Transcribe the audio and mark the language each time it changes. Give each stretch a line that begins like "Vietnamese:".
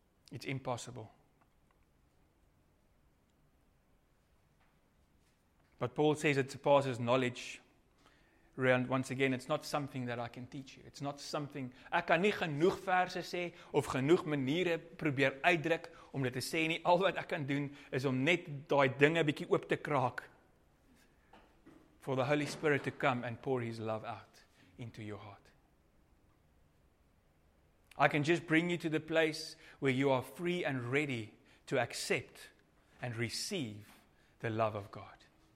English: It's impossible. But Paul says it surpasses knowledge. Rand, once again, it's not something that I can teach you. It's not something.
Afrikaans: Ek kan nie genoeg verse sê of genoeg maniere probeer uitdruk om dit te sê nie. Al wat ek kan doen is om net daai dinge bietjie oop te kraak.
English: For the Holy Spirit to come and pour his love out into your heart. I can just bring you to the place where you are free and ready to accept and receive the love of God.